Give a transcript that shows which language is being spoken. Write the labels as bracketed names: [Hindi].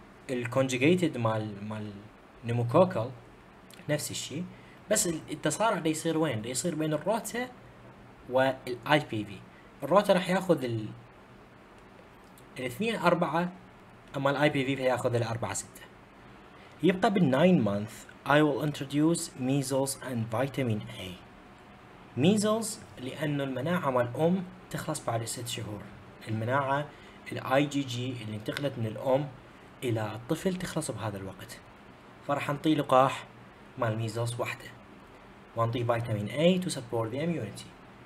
[Arabic] الكونجيجيتد مال نيموكوكل نفس الشيء، بس التصارع ده يصير وين؟ ده يصير بين الروتا والاي بي في. الروتا راح ياخذ الاثنين أربعة، أما الـ IPV فيأخذ الأربعة ستة. يبقى بالـ [English] 9 month I will introduce measles and vitamin A. [Arabic] measles لأنه المناعة والأم تخلص بعد 6 شهور، المناعة الـ IgG اللي انتقلت من الأم إلى الطفل تخلص بهذا الوقت، فرح نطي لقاح مع الميزلز وحده ونطي فيتامين A [English] to support the immunity.